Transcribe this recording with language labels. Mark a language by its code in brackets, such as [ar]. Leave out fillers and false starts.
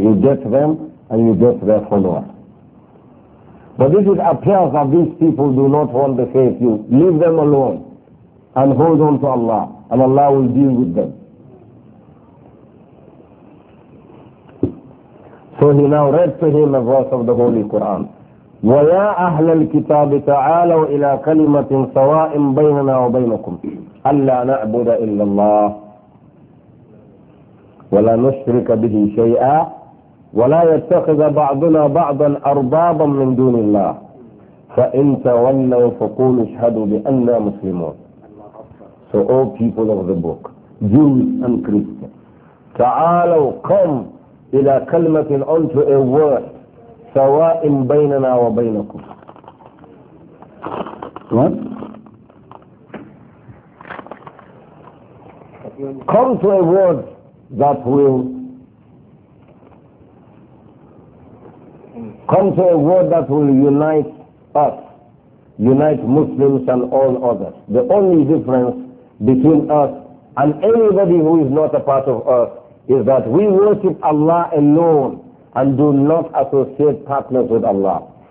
[en] You get them, and you get their followers. But if it appears that these people do not want the faith, you leave them alone and hold on to Allah, and Allah will deal with them. So he now read to him a verse of the Holy Quran. [ar] وَيَا أَهْلَ الْكِتَابِ تَعَالَوْا إِلَىٰ كَلِمَةٍ سَوَاءٍ بَيْنَنَا وَبَيْنَكُمْ أَلَّا نَعْبُدَ إِلَّا اللَّهِ وَلَا نُشْرِكَ بِهِ شَيْئًا وَلَا يَتَّخِذَ بَعْضُنَا بَعْضًا أَرْبَابًا مِنْ دُونِ اللَّهِ فَإِنْ تَوَلَّوْا فَقُولُوا اشْهَدُوا بِأَنَّا مُسْلِمُونَ [en] So all people of the book, Jews and Christians, [ar] تَعَالَوْا [en] come [ar] إِلَىٰ كَلِمَةٍ [en] unto a word, [ar] سَوَاءٍ بَيْنَنَا وَبَيْنَكُمْ [en] What? Come to a word that will come to a word that will unite us, unite Muslims and all others. The only difference between us and anybody who is not a part of us is that we worship Allah alone and do not associate partners with Allah.